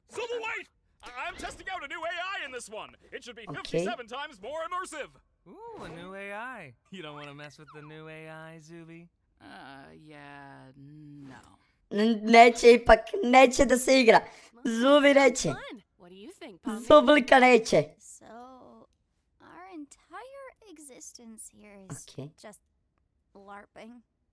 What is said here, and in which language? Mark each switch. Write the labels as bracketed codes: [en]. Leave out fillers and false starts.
[en] I'm testing out a new AI in this one. It should be 57 times more immersive. Ooh, a new AI. You don't want to mess with the new AI, Zuby? No. [hr] Neće ipak, neće da se igra. Zuby neće. [en] What do you think, Pommy? [hr] Zublika neće. [en] So, our entire existence here is just larping.